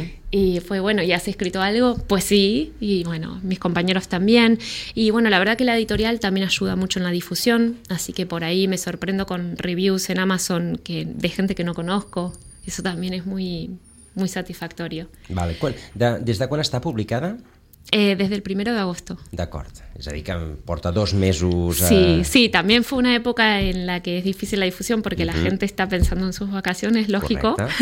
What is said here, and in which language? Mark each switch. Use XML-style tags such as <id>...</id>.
<es>Y fue, bueno, ¿y has escrito algo? Pues sí, y bueno, mis compañeros también. Y bueno, la verdad que la editorial también ayuda mucho en la difusión, así que por ahí me sorprendo con reviews en Amazon que, de gente que no conozco. Eso también es muy, muy satisfactorio. Vale, ¿desde cuándo está publicada? Desde el 1 de agosto.</es> <ca>D'acord, és a dir que porta dos mesos...</ca> <es>Sí, sí, también fue una época en la que es difícil la difusión porque la gente está pensando en sus vacaciones, lógico.</es>